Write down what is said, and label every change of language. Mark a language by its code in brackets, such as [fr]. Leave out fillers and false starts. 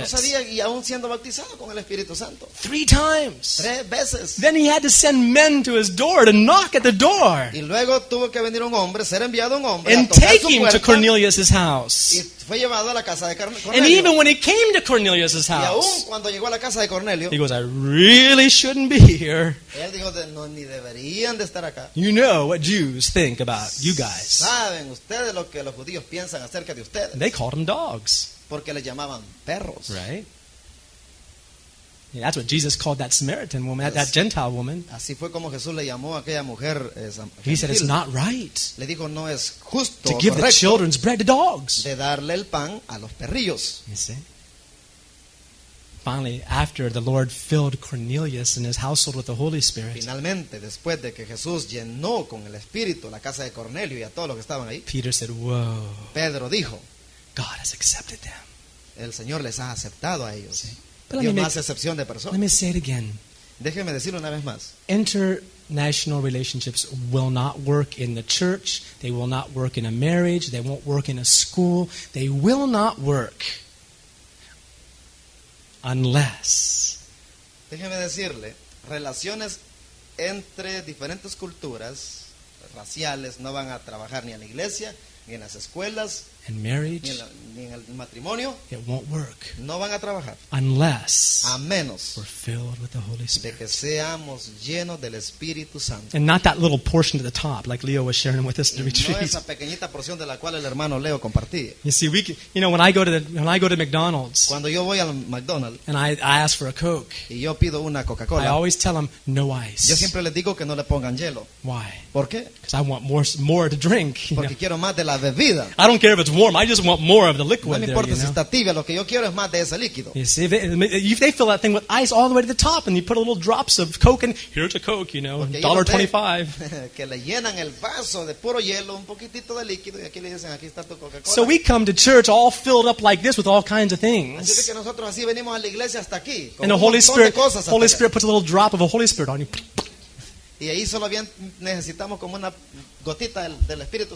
[es] No sabía, y aún siendo bautizado con el Espíritu Santo. [en] Three times. [es] Tres veces. [en] Then he had to send men to his door to knock at the door. [es] Y luego tuvo que venir un hombre, ser enviado un hombre [en] and [es] a tocar [en] take [es] su [en] him [es] puerta, [en] to Cornelius' house. [es] Fue llevado a la casa de Cornelio. [en] And even when he came to Cornelius' house, [es] y aún cuando llegó a la casa de Cornelio, [en] he goes, I really shouldn't be here. [es] Él dijo, no, ni deberían de estar acá. [en] You know what Jews think about you guys. [es] ¿Saben ustedes lo que los judíos piensan acerca de ustedes? [en] They called them dogs. [es] Porque les llamaban perros. [en] Right? Yeah, that's what Jesus called that Samaritan woman, that Gentile woman. [es] Así fue como Jesús le llamó a aquella mujer, esa [en] gentil. He said, it's not right [es] le dijo, no es justo, [en] to give the children's bread to dogs. [es] De darle el pan a los perrillos. [en] You see? Finally, after the Lord filled Cornelius and his household with the Holy Spirit, [es] finalmente, después de que Jesús llenó con el Espíritu la casa de Cornelio y a todos los que estaban ahí, [en] Peter said, whoa. [es] Pedro dijo, [en] God has accepted them. [es] El Señor les ha aceptado a ellos. [en] See? But let me say it again. [es] Déjeme decirlo una vez más. [en] International relationships will not work in the church. They will not work in a marriage. They won't work in a school. They will not work unless. [es] Déjeme decirle, relaciones entre diferentes culturas raciales no van a trabajar ni en la iglesia. Ni en las escuelas, [en] in marriage, [es] ni en el matrimonio, [en] it won't work. [es] No van a trabajar. [en] Unless [es] a menos [en] we're filled with the Holy Spirit. [es] De que seamos llenos del Espíritu Santo. [en] And not that little portion at the top, like Leo was sharing with us in the retreat. [es] No esa pequeñita porción de la cual el hermano Leo compartía. [en] You see, when I go to McDonald's, [es] cuando yo voy al McDonald's, [en] and I ask for a Coke, [es] y yo pido una Coca-Cola, [en] I always tell them no ice. [es] Yo siempre les digo que no le pongan hielo. [en] Why? [es] ¿Por qué? [en] Because I want more to drink. [es] Porque [en] know? [es] Quiero más de [en] I don't care if it's warm. I just want more of the liquid. [es] No me importa [en] there, [es] si está tibia. Lo que yo quiero es más de ese líquido. [en] You see, if they fill that thing with ice all the way to the top, and you put a little drops of Coke in, here's a Coke, you know, $1.25. [es] Que le llenan el vaso de puro hielo, un poquitito de líquido, y aquí le dicen, aquí está tu Coca-Cola. [en] So we come to church all filled up like this with all kinds of things. [es] Así que nosotros así venimos a la iglesia hasta aquí. [en] And the Holy Spirit puts a little drop of the Holy Spirit on you. [es] Y ahí solo bien necesitamos como una gotita del Espíritu